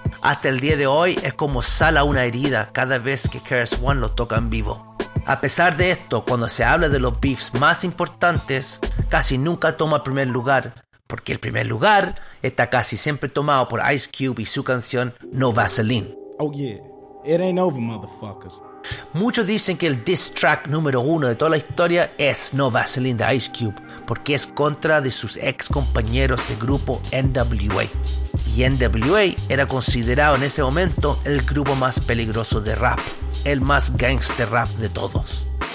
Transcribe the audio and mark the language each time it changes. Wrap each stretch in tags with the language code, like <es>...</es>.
<es>Hasta el día de hoy es como sala una herida cada vez que KRS-One lo toca en vivo. A pesar de esto, cuando se habla de los beefs más importantes, casi nunca toma el primer lugar, porque el primer lugar está casi siempre tomado por Ice Cube y su canción No Vaseline.</es> <en>Oh yeah, it ain't over, motherfuckers.</en> <es>Muchos dicen que el diss track número uno de toda la historia es No Vaseline de Ice Cube, porque es contra de sus ex compañeros de grupo N.W.A. Y N.W.A. era considerado en ese momento el grupo más peligroso de rap, el más gangster rap de todos.</es>